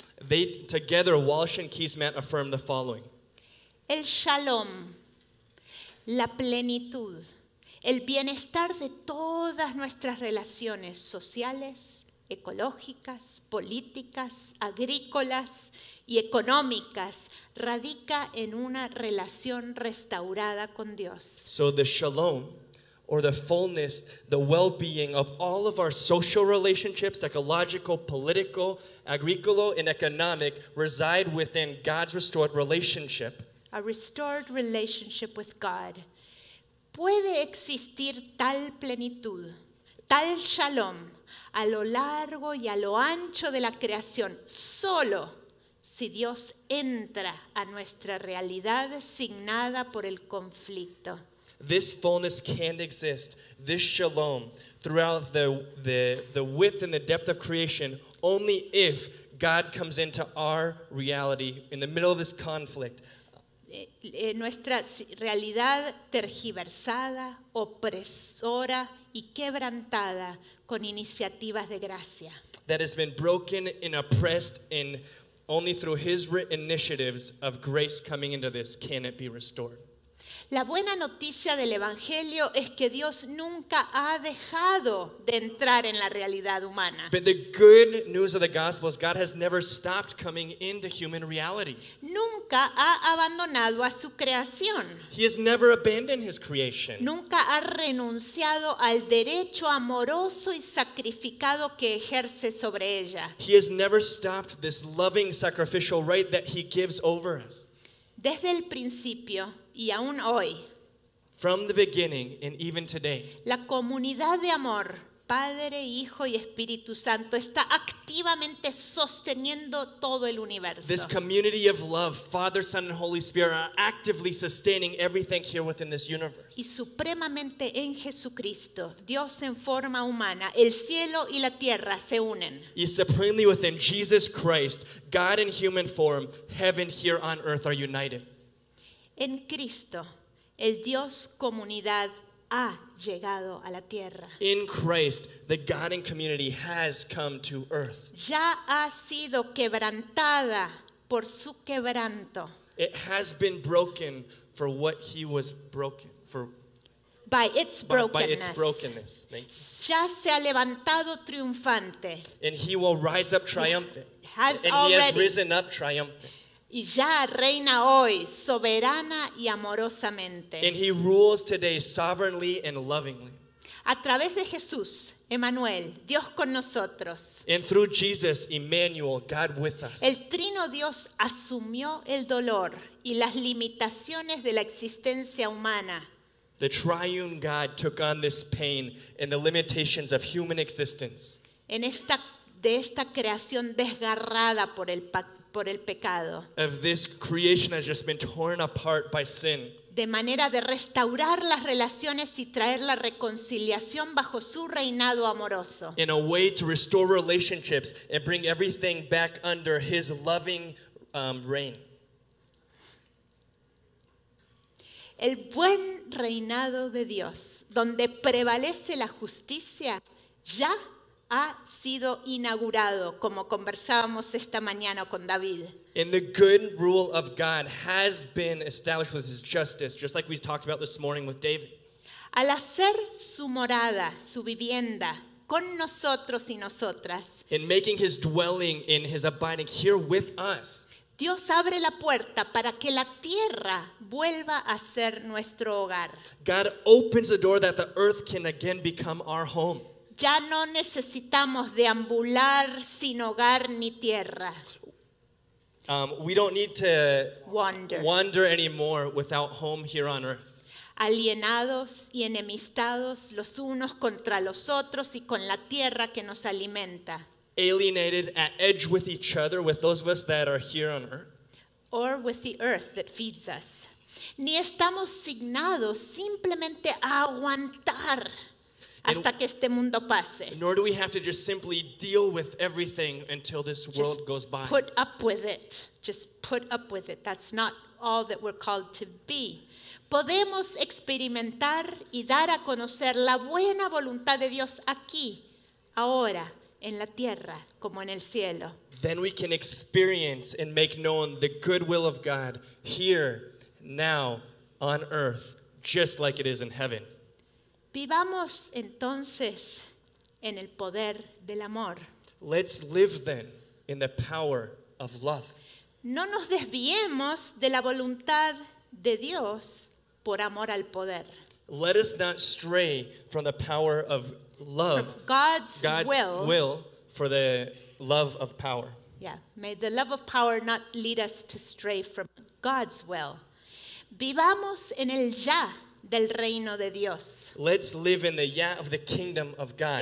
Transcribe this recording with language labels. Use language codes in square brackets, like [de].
[en] They together, Walsh and Kismet affirm the following. [es] El shalom, la plenitud, el bienestar de todas nuestras relaciones sociales, ecológicas, políticas, agrícolas y económicas radica en una relación restaurada con Dios. [en] So the shalom, or the fullness, the well-being of all of our social relationships, ecological, political, agrícola, and economic, reside within God's restored relationship. A restored relationship with God. [es] ¿Puede existir tal plenitud, tal shalom, a lo largo y a lo ancho de la creación, solo si Dios entra a nuestra realidad signada por el conflicto? [en] This fullness can exist, this shalom, throughout the width and the depth of creation, only if God comes into our reality in the middle of this conflict. [es] Nuestra realidad tergiversada, opresora y quebrantada con iniciativas de gracia. [en] That has been broken and oppressed and only through his initiatives of grace coming into this can it be restored. [es] La buena noticia del Evangelio es que Dios nunca ha dejado de entrar en la realidad humana. [en] But the good news of the gospel is God has never stopped coming into human reality. [es] Nunca ha abandonado a su creación. [en] He has never abandoned his creation. [es] Nunca ha renunciado al derecho amoroso y sacrificado que ejerce sobre ella. [en] He has never stopped this loving sacrificial right that he gives over us. [es] Desde el principio y aún hoy, [en] from the beginning and even today, [es] la comunidad de amor, Padre, Hijo y Espíritu Santo, está activamente sosteniendo todo el universo. [en] This community of love, Father, Son, and Holy Spirit, are actively sustaining everything here within this universe. [es] Y supremamente en Jesucristo, Dios en forma humana, el cielo y la tierra se unen. [en] Y supremely within Jesus Christ, God in human form, heaven here on earth are united. [es] En Cristo, el Dios comunidad ha llegado a la tierra. [en] In Christ, the God and community has come to earth. [es] Ya ha sido quebrantada por su quebranto. [en] It has been broken for what he was broken for. By its brokenness. By its brokenness. [es] Ya se ha levantado triunfante. [en] And he will rise up triumphant. He has risen up triumphant. [es] Y ya reina hoy soberana y amorosamente. [en] And he rules today sovereignly and lovingly. [es] A través de Jesús, Emmanuel, Dios con nosotros. [en] And through Jesus, Emmanuel, God with us. [es] El trino Dios asumió el dolor y las limitaciones de la existencia humana. [en] The triune God took on this pain and the limitations of human existence. [es] De esta creación desgarrada por el pacto. Por el pecado. [en] Of this creation has just been torn apart by sin. [es] De manera de restaurar las relaciones y traer la reconciliación bajo su reinado amoroso. [en] In a way to restore relationships and bring everything back under his loving reign. [es] El buen reinado de Dios, donde prevalece la justicia, ya ha sido inaugurado, como conversábamos esta mañana con David. [en] And the good rule of God has been established with his justice, just like we talked about this morning with David. [es] Al hacer su morada, su vivienda, con nosotros y nosotras. [en] In making his dwelling in his abiding here with us. [es] Dios abre la puerta para que la tierra vuelva a ser nuestro hogar. [en] God opens the door that the earth can again become our home. [es] Ya no necesitamos deambular sin hogar ni tierra. [en] We don't need to wander anymore without home here on earth. [es] alienados y enemistados los unos contra los otros y con la tierra que nos alimenta. [en] Alienated, at edge with each other, with those of us that are here on earth. Or with the earth that feeds us. [es] Ni estamos signados simplemente a aguantar hasta que este mundo pase. [en] Nor do we have to just simply deal with everything until this world goes by. Put up with it. Just put up with it. That's not all that we're called to be. [es] Podemos experimentar y dar a conocer la buena voluntad de Dios aquí, ahora, en la tierra, como en el cielo. [en] Then we can experience and make known the good will of God here, now, on earth, just like it is in heaven. [es] Vivamos entonces en el poder del amor. [en] Let's live then in the power of love. [es] No nos desviemos de la voluntad de Dios por amor al poder. [en] Let us not stray from the power of love. From God's will. God's will for the love of power. Yeah, may the love of power not lead us to stray from God's will. [es] Vivamos en el ya del reino de Dios. [en] Let's live in the ya of the kingdom of God.